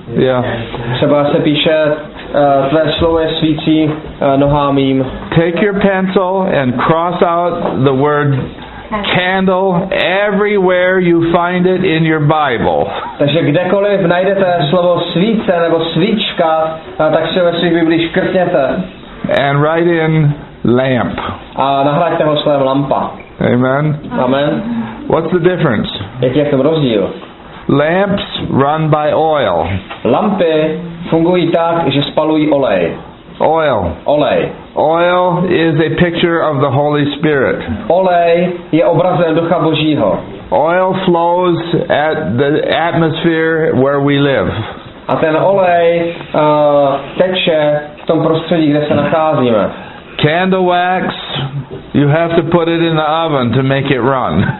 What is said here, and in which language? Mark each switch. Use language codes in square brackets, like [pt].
[en] Yeah. [cs] Třeba se píše tvé slovo je svící nohám mým. [en] Take your pencil and cross out the word candle everywhere you find it in your Bible. [cs] Takže kdekoliv najdete slovo svíce nebo svíčka, tak se ve svých Biblích škrtněte. [en] And write in lamp. [cs] A nahraďte ho slovem lampa. [en] Amen. Amen. What's the difference? [cs] Jaký je ten rozdíl? [en] Lamps run by oil. [cs] Lampy fungují tak, že spalují olej. [en] Oil. [cs] Olej. [en] Oil is a picture of the Holy Spirit. [cs] Olej je obrazem Ducha Božího. [en] Oil flows at the atmosphere where we live. [cs] A ten olej teče v tom prostředí, kde se nacházíme. [en] Candle wax You have to put it in the oven to make it run.